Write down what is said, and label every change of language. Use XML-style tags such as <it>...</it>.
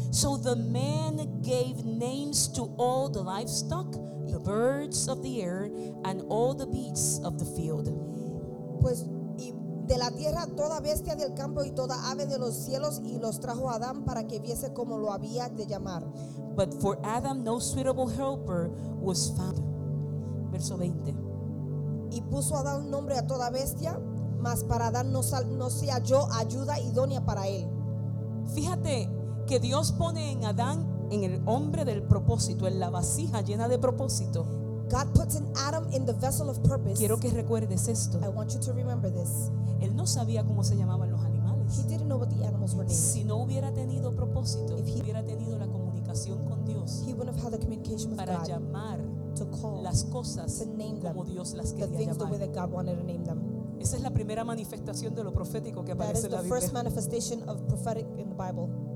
<en>So the man gave names to all the livestock, the birds of the air, and all the beasts of the field.</en> <es>Pues y de la tierra toda bestia del campo y toda ave de los cielos, y los trajo a Adán para que viese como lo había de llamar.</es> <en>But for Adam no suitable helper was found.</en> <es>Verso 20. Y puso Adán nombre a toda bestia, mas para Adán no se halló ayuda idónea para él. Fíjate que Dios pone en Adán, en el hombre del propósito, en la vasija llena de propósito.</es> <en>God puts an Adam in the vessel of purpose.</en> <es>Quiero que recuerdes esto.</es> <en>I want you to remember this.</en> <es>Él no sabía cómo se llamaban los animales.</es> <en>He didn't know what the animals were named.</en> <es>Si no hubiera tenido propósito,</es> <en>if he</en> <es>hubiera tenido la comunicación con Dios,</es> <en>he wouldn't have had the communication with</en> <es>para</es> <en>God</en> <es>llamar</es> <en>to call,</en> <es>las cosas</es> <en>to name</en> <es>como</es> <en>them,</en> <es>Dios las quería</es> <en>the things</en> <es>llamar</es> <en>the way that God wanted to name them.</en> <es>Esa es la primera manifestación de lo profético que aparece en la Biblia.</es> <en>That is the first manifestation of prophetic in the Bible.</en>